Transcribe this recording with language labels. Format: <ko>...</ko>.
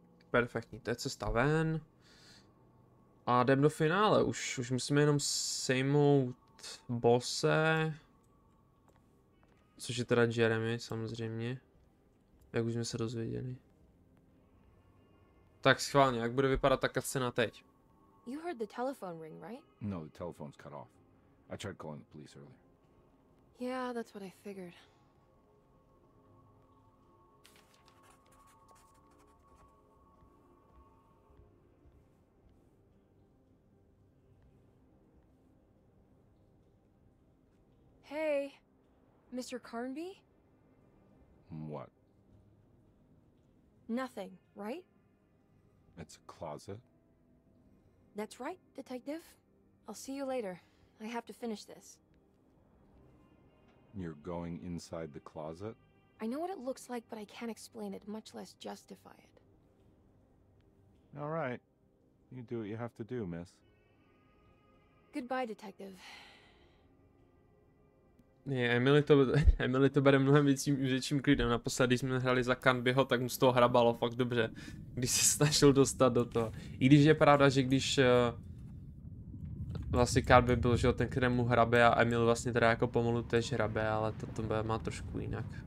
<cs>Perfektní, to je cesta ven. A jdem do finále, už musíme jenom sejmout bose. Což je teda Jeremy, samozřejmě. Jak už jsme se dozvěděli. Tak schválně, jak bude vypadat ta scéna teď?</cs> <en>You heard the telephone ring, right? No, the telephone's cut off. I tried calling the police earlier. Yeah, that's what I figured. Hey, Mr. Carnby? What? Nothing, right? It's a closet. That's right, detective. I'll see you later. I have to finish this. You're going inside the closet? I know what it looks like, but I can't explain it, much less justify it. All right. You do what you have to do, miss. Goodbye, detective.</en> <cs>Je, Emily to bere mnohem větším klidem. Naposledy, když jsme hrali za Canbyho, tak mu z toho hrabalo fakt dobře, když se snažil dostat do toho. I když je pravda, že když vlastně Canby byl, že ten, který mu hrabe, a Emily vlastně teda jako pomalu tež hrabe, ale to má trošku jinak.</cs>